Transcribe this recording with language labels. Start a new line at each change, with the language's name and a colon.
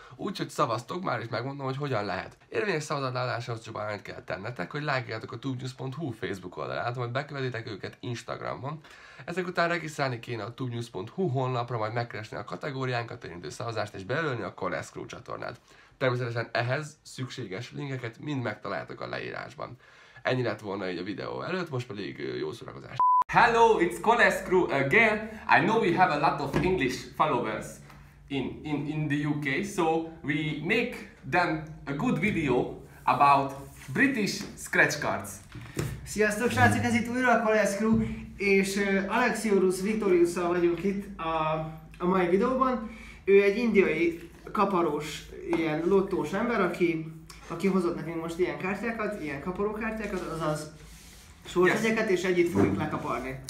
Hungarian: Úgyhogy szavaztok már, és megmondom, hogy hogyan lehet. Érvényes szavazatálláshoz csak annyit kell tennetek, hogy lájkoljátok a tubenews.hu Facebook oldalát, majd bekövetitek őket Instagramon. Ezek után regisztrálni kéne a tubenews.hu honlapra, majd megkeresni a kategóriánkat, érintő szavazást, és belőlni a Koreszkó csatornát. Természetesen ehhez szükséges linkeket mind megtaláltok a leírásban. Ennyi lett volna így a videó előtt, most pedig jó szórakozást!
English: Hello, it's Koreszkó again. I know we have a lot of English followers in the UK, so we make them a good video about British scratch cards.
Hungarian: Sziasztok srácok, ez itt újra a Koreszkó, és Alexiorus Vitoriusszal vagyunk itt a mai videóban. Ő egy indiai kaparós, ilyen lottós ember, aki hozott nekünk most ilyen kártyákat, ilyen kaparó kártyákat, azaz sorsegyeket, yes. És együtt fogjuk lekaparni.